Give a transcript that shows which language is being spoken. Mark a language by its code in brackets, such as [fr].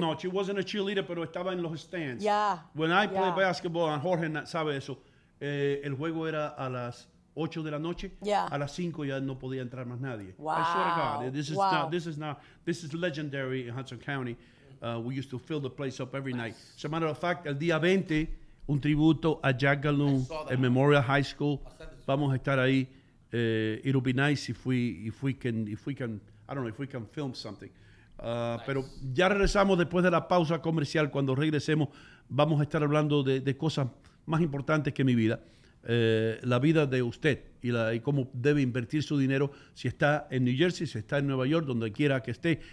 [en] No, she wasn't a cheerleader, [es] pero estaba en los stands. [en] Yeah. When I played basketball, and [es] Jorge sabe eso, el juego era a las 8 de la noche. [en] Yeah. [es] A las 5 ya no podía entrar más nadie. [en] Wow. I swear to God, this is not, this is legendary in Hudson County. We used to fill the place up every night. As a matter of fact, [es] el día 20, un tributo a Jack Galoon en Memorial High School. Vamos a estar ahí. [en] It'll be nice if we can I don't know if we can film something. [es] Pero ya regresamos después de la pausa comercial. Cuando regresemos, vamos a estar hablando de cosas más importantes que mi vida. La vida de usted y cómo debe invertir su dinero si está en New Jersey, si está en Nueva York, donde quiera que esté.